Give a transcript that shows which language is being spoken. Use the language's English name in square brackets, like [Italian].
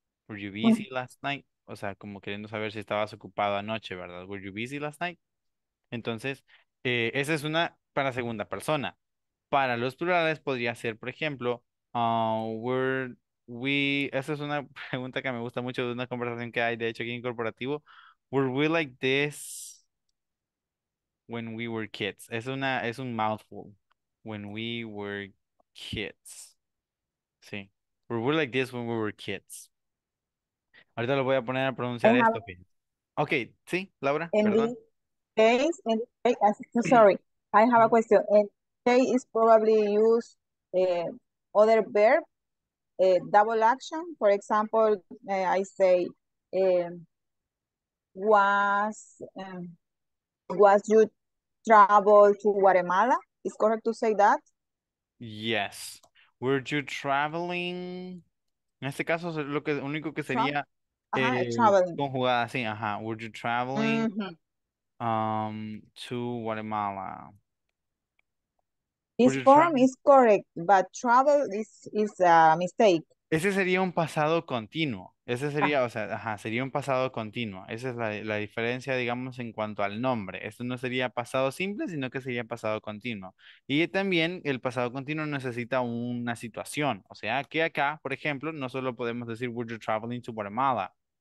[English] Were you busy last night? [Spanish] O sea, como queriendo saber si estabas ocupado anoche, ¿verdad? [English] Were you busy last night? [Spanish] Entonces, esa es una para segunda persona. Para los plurales podría ser, por ejemplo, esa es una pregunta que me gusta mucho de una conversación que hay, de hecho, aquí en corporativo. [English] Were we like this when we were kids? [Spanish] Es un [English] mouthful. When we were kids. Sí. Were we like this when we were kids? [Spanish] Ahorita lo voy a poner a pronunciar esto. Ok, sí, Laura, perdón. [English] I have a question. And they is probably use other verb, double action. For example, I say was you travel to Guatemala? Is correct to say that? Yes. Were you traveling? [Spanish] En este caso, lo que único que sería conjugada, sí, ajá. [English] Were you traveling to Guatemala? This form is correct, but travel is a mistake. [Spanish] Ese sería un pasado continuo. Ese sería, o sea, ajá, sería un pasado continuo. Esa es la diferencia, digamos, en cuanto al nombre. Esto no sería pasado simple, sino que sería pasado continuo. Y también el pasado continuo necesita una situación. O sea, que acá, por ejemplo, no solo podemos decir, [English] were you traveling to Guatemala?